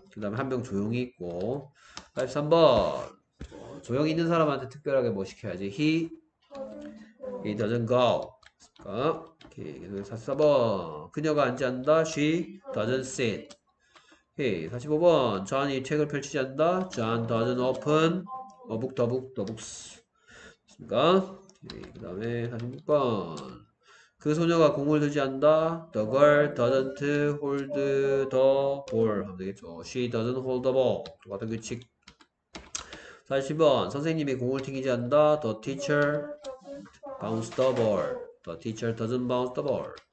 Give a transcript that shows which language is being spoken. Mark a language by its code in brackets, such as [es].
[ko] 그 다음에 한 명 조용히 있고. 83번. 조용히 있는 사람한테 특별하게 뭐 시켜야지? [en] He doesn't go. [ko] 됐습니까? 오케이. 계속해서 44번. 그녀가 앉지 않는다. [en] She doesn't sit. [ko] 오케이. 45번. 존이 책을 펼치지 않는다. [en] John doesn't open a book, the book, the books. [ko] 됐습니까? 그 다음에 46번. 그 소녀가 공을 들지 않는다. [en] The girl doesn't hold the ball. [ko] 하면 되겠죠. [en] She doesn't hold the ball. [ko] 똑같은 규칙. [en] 40번. [ko] 선생님이 공을 튕기지 않는다. [en] The teacher bounce the ball. The teacher doesn't bounce the ball.